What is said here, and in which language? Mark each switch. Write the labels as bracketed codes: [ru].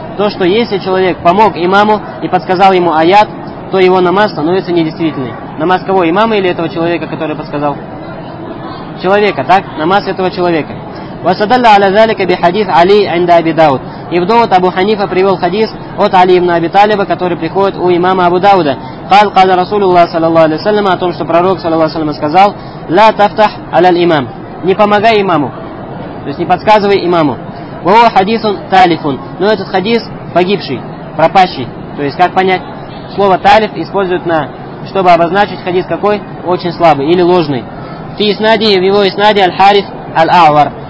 [ru] То, что если человек помог имаму и подсказал ему аят, то его намаз становится недействительным. Намаз кого? Имама или этого человека, который подсказал? Человека, так? Намаз этого человека. «Васадалла аля залика би хадис Али инда Аби Дауд». И вдовод Абу Ханифа привел хадис от Али ибн Аби Талиба, который приходит у имама Абу Дауда. [ar] قال قال رسول الله صلى الله عليه وسلم [ru] о том, что пророк [ar] صلى الله عليه وسلم [ru] сказал [ar] لا تفتح على الإمام [ru] не помогай имаму, то есть не подсказывай имаму. Вова хадисун талифун, но этот хадис погибший, пропащий. То есть как понять? Слово талиф используют на, чтобы обозначить хадис какой? Очень слабый или ложный. Фи иснади, в его иснаде аль-Харис аль-Авар.